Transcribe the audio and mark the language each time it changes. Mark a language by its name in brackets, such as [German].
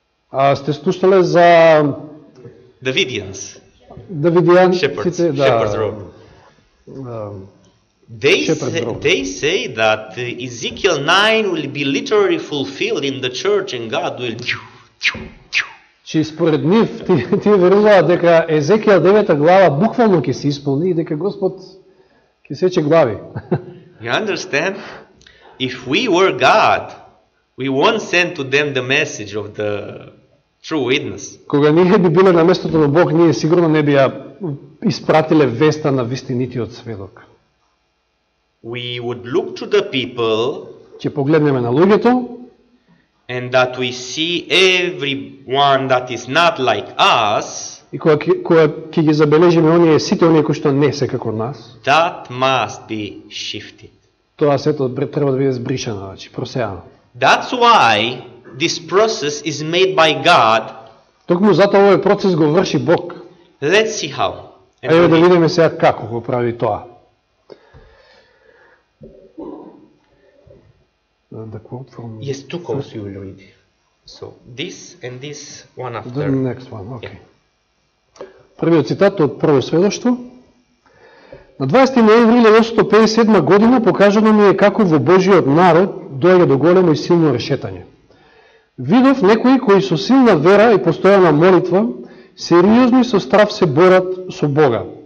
[Macedonian] А сте слушале за [English] Davidians? Davidian shepherds, [Macedonian] да. [English] They say that Ezekiel 9 will be literally fulfilled in the church and God will. [Macedonian] Чи според нив ти веруваат дека Езекијел 9-та глава буквално ќе се исполни и дека Господ ќе сече глави. [English] You understand? If we were God, we won't send to them the message of the true witness. [Macedonian] Кога ние би биле на местото на Бог, ние сигурно не би ја испратиле веста на вистинитиот сведок. [English] We would look to the people. [Macedonian] Ќе погледнеме на луѓето. [English] And that we see everyone that is not like us. [Macedonian] И кога ќе ги забележиме оние сите оние кои што не се како нас. [English] That must be shifted. [Macedonian] Тоа сето треба да биде збришано, значи просејано. [English] That's why this process is made by God. [Macedonian] Токму затоа овој процес го врши Бог. [English] Let's see how. [Macedonian] Ајде да видиме сега како го прави тоа. [English] The quote from yes, two quotes you will read. So, this and this one after. The next one, okay. Yeah. [Macedonian] Првиот цитат од прво сведоштво. На 20 ноември 1857 година покажано ми е како во Божиот народ доаѓа до големо и силно решетање. Видов некои кои со силна вера и постојана молитва, сериозно и со страв се борат со Бога.